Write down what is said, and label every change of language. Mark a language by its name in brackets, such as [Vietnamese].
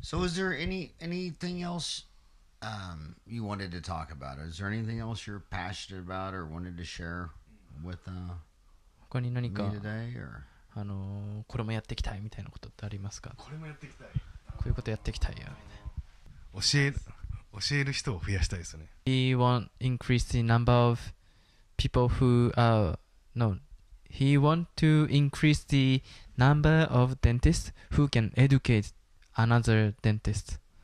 [English] So, is there anything else、you wanted to talk about? Is there anything else you're passionate about or wanted to share with、 [Japanese] 他に何か [English] me today? Or [Japanese] これもやっていきたいみたいなことってありますか？これもやっていきたい。こういうことやっていきたいよみたいな。教える人を増やしたいですね。 [English] He want increase the number of people who are no. He want to increase the number of dentists who can educate another dentist.